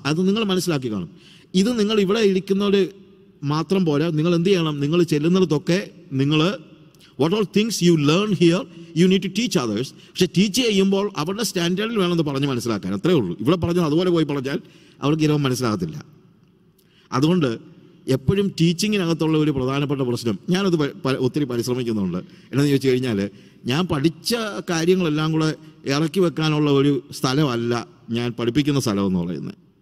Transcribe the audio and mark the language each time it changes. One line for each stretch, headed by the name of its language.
Malayalam: അത് നിങ്ങൾ മനസ്സിലാക്കി കാണും. ഇത് നിങ്ങൾ ഇവിടെ ഇരിക്കുന്നവർ മാത്രം പോരാ, നിങ്ങൾ എന്ത് ചെയ്യണം? നിങ്ങൾ ചെല്ലുന്നിടത്തൊക്കെ നിങ്ങൾ
English: What all things you learn here, you need to teach others.
Malayalam: പക്ഷേ ടീച്ച് ചെയ്യുമ്പോൾ അവരുടെ സ്റ്റാൻഡേർഡിൽ വേണമെന്ന് പറഞ്ഞ് മനസ്സിലാക്കാൻ, അത്രേ ഉള്ളൂ. ഇവിടെ പറഞ്ഞത് അതുപോലെ പോയി പറഞ്ഞാൽ അവർക്ക് ഇരവം മനസ്സിലാകത്തില്ല. അതുകൊണ്ട് എപ്പോഴും ടീച്ചിങ്ങിനകത്തുള്ള ഒരു പ്രധാനപ്പെട്ട പ്രശ്നം, ഞാനത് ഒത്തിരി പരിശ്രമിക്കുന്നുണ്ട്. എന്നാന്ന് ചോദിച്ചു കഴിഞ്ഞാൽ, ഞാൻ പഠിച്ച കാര്യങ്ങളെല്ലാം കൂടെ ഇറക്കി വെക്കാനുള്ള ഒരു സ്ഥലമല്ല ഞാൻ പഠിപ്പിക്കുന്ന സ്ഥലം എന്ന് പറയുന്നത്.